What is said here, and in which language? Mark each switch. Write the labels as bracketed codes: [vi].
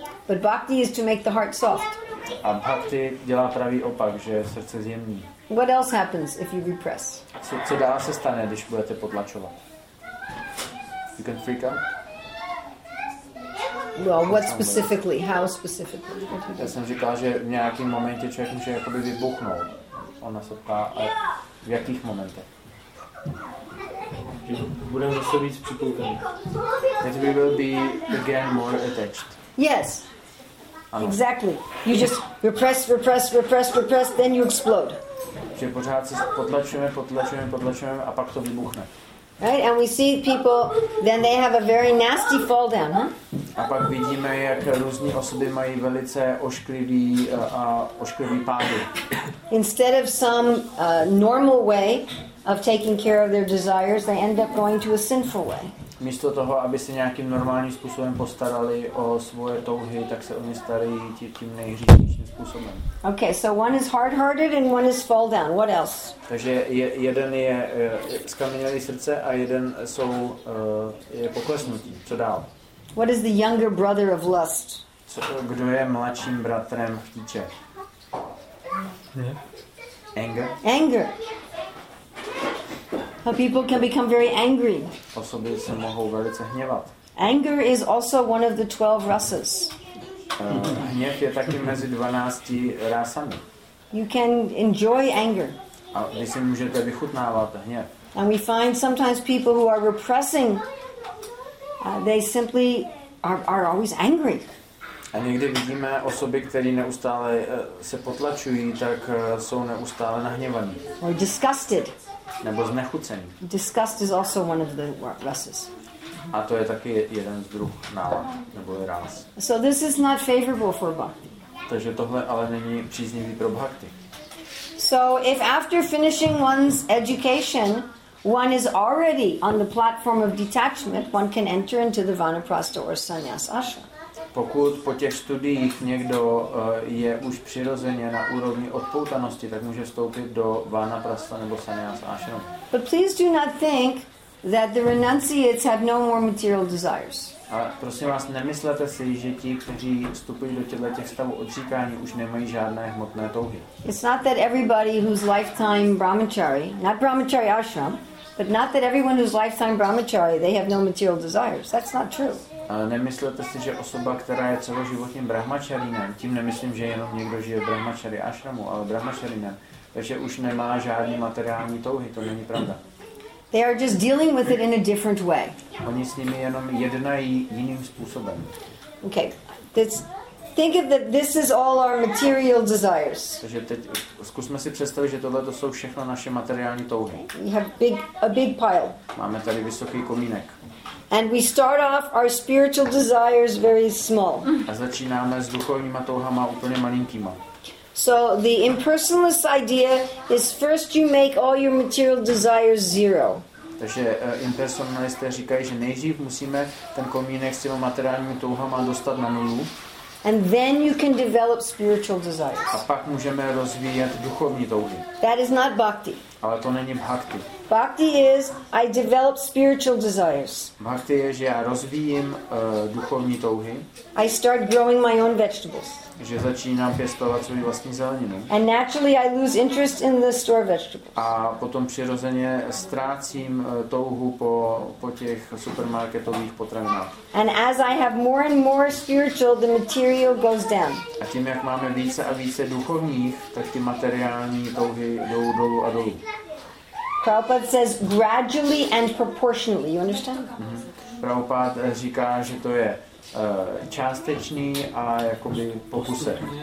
[en] But bhakti is to make the heart soft. [cs] A bhakti dělá pravý opak, že srdce zjemní. [en] What else happens if you repress? [cs] Co dál se stane, když budete potlačovat? [en] You can freak out? Well, what specifically? How specifically? [cs] Já jsem říkal, že v nějakým momentě člověk může jakoby vybuchnout. Ona se ptá, v jakých momentech? Budeme zase víc připoutaný. [en] That we will be again more attached. Yes. [cs] Ano. [en] Exactly. You just repress, then you explode. [cs] Že pořád si potlačujeme a pak to vybuchne. [en] Right, and we see people, then they have a very nasty fall down, huh? [cs] A pak vidíme, jak různé osoby mají velice ošklivý a ošklivý pády. [en] Instead of some normal way of taking care of their desires, they end up going to a sinful way. [cs] Místo toho, aby se nějakým normálním způsobem postarali o svoje touhy, tak se oni starají tím nejhříšnějším způsobem. [en] Okay, so one is hard-hearted and one is fall down. What else? [cs] Takže jeden je skamenělý srdce a jeden jsou je poklesnutí. Co dál? [en] What is the younger brother of lust? [cs] Kdo je mladším bratrem chtíče? [en] Anger. Anger. How people can become very angry. [cs] Osoby se mohou velice hněvat. [en] Anger is also one of the 12 rasas. [cs] Hněv je taky mezi 12 rasami. [en] You can enjoy anger. [cs] A vy si můžete vychutnávat hněv. [en] And we find sometimes people who are repressing, they simply are always angry. [cs] A někdy vidíme osoby, které neustále se potlačují, tak jsou neustále nahněvaní. [en] Or disgusted. [cs] Nebo znechucený. [en] Disgust is also one of the rasas. [cs] A to je taky jeden z druh nálad, nebo je ras. [en] So this is not favorable for bhakti. [cs] Takže tohle ale není příznivý pro bhakti. [en] So if after finishing one's education, one is already on the platform of detachment, one can enter into the vanaprastha or sannyas ashram. [cs] Pokud po těch studiích někdo je už přirozeně na úrovni odpoutanosti, tak může vstoupit do vanaprastha nebo sannyas ashram. [en] But please do not think that the renunciates have no more material desires. [cs] A prosím vás, nemyslete si, že ti, kteří vstupují do těchto stavů odříkání, už nemají žádné hmotné touhy. [en] It's not that everybody whose lifetime brahmachari, not brahmachari ashram, but not that everyone whose lifetime brahmachari, they have no material desires. That's not true. [cs] Nemyslete si, že osoba, která je celoživotním brahmačarinem, tím nemyslím, že jenom někdo žije v brahmačari ashramu, ale brahmačarinem, takže už nemá žádný materiální touhy, to není pravda. [en] They are just dealing with it in a different way. [cs] Oni s nimi jenom jednají jiným způsobem. [en] Okay, think of that this is all our material desires. [cs] Takže teď zkusme si představit, že tohle to jsou všechno naše materiální touhy. [en] We have a big pile. [cs] Máme tady vysoký komínek. [en] And we start off our spiritual desires very small. [cs] A začínáme s duchovníma touhama úplně malinkýma. [en] So the impersonalist idea is first you make all your material desires zero. [cs] Takže impersonalisté říkají, že nejdřív musíme ten komínek s těmi materiálními touhama dostat na nulu. [en] And then you can develop spiritual desires. [cs] A pak můžeme rozvíjet duchovní touhy. [en] That is not bhakti. [cs] Ale to není bhakti. [en] Bhakti is I develop spiritual desires. [cs] Bhakti je, že já rozvíjím duchovní touhy. [en] I start growing my own vegetables. [cs] Že začínám pěstovat svůj vlastní zeleninu. [en] And naturally I lose interest in the store vegetables. [cs] A potom přirozeně ztrácím touhu po těch supermarketových potravinách. [en] And as I have more and more spiritual, the material goes down. [cs] A tím, jak máme více a více duchovních, tak ty materiální touhy jdou dolů a dolů. [en] Prabhupada says gradually and proportionally. You understand? Mm-hmm. [cs] Prabhupada říká, že to je částečný a jakoby pokusek.